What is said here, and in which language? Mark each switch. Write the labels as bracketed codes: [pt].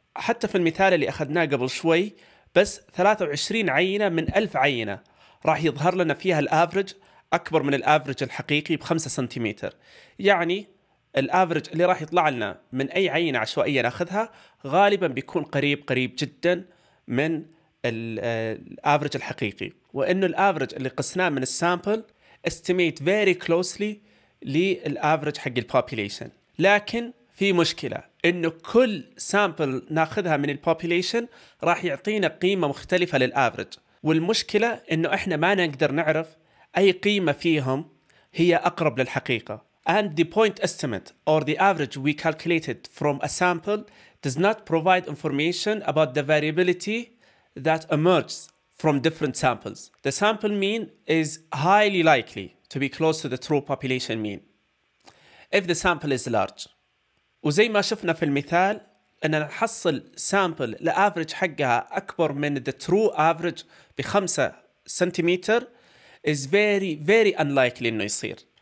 [ar] حتى في المثال اللي أخذناه قبل شوي بس 23 عينة من 1000 عينة راح يظهر لنا فيها الأفرج أكبر من الأفرج الحقيقي بخمسة سنتيمتر، يعني الأفرج اللي راح يطلع لنا من أي عينة عشوائية ناخذها غالباً بيكون قريب جداً من الأفرج الحقيقي، وإنه الأفرج اللي قسناه من السامبل استميت [en] very closely [ar] للأفرج حق الpopulation. لكن في مشكلة إنه كل سامبل ناخذها من الpopulation راح يعطينا قيمة مختلفة للأفرج، والمشكلة إنه إحنا ما نقدر نعرف أي قيمة فيهم هي أقرب للحقيقة. [en] And the point estimate or the average we calculated from a sample does not provide information about the variability that emerges from different samples. The sample mean is highly likely to be close to the true population mean if the sample is large. [ar] وزي ما شفنا في المثال أن نحصل sample لأفرج حقها أكبر من [en] the true average [ar] بخمسة سنتيمتر [en] is very very unlikely [ar] إنه يصير.